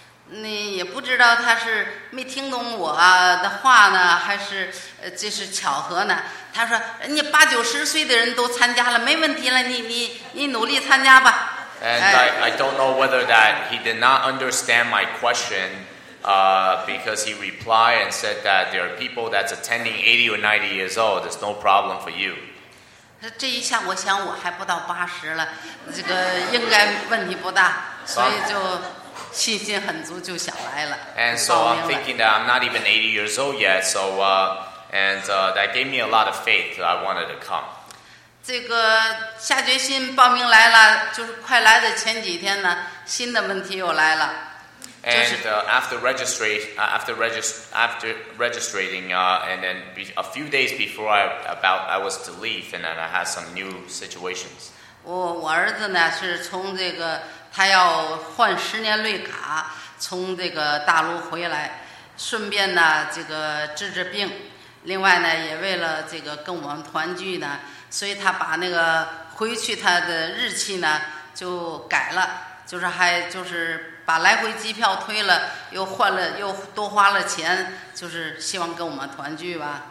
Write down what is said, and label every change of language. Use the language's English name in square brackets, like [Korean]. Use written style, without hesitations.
[Chinese] 你也不知道他是没听懂我的话呢，还是这是巧合呢？他说，人家80-90岁的人都参加了，没问题了，你努力参加吧。 [English] And I don't know whether that he did not understand my question because he replied and said that there are people that's attending 80 or 90 years old. It's no problem for you. [Chinese] 这一下我想我还不到80了，这个应该问题不大，所以就信心很足就想来了。 [English] And so I'm thinking that I'm not even 80 years old yet. So that gave me a lot of faith that I wanted to come. [Chinese] 这个下决心报名来了，就是快来的前几天呢，新的问题又来了。 [English] And after registering, and then a few days before I was to leave, and then I had some new situations. [Chinese] 我儿子呢是从这个他要换10年绿卡，从这个大陆回来，顺便呢这个治病，另外呢也为了这个跟我们团聚呢。所以他把那个回去他的日期呢就改了，就是还就是把来回机票推了，又换了又多花了钱，就是希望跟我们团聚吧。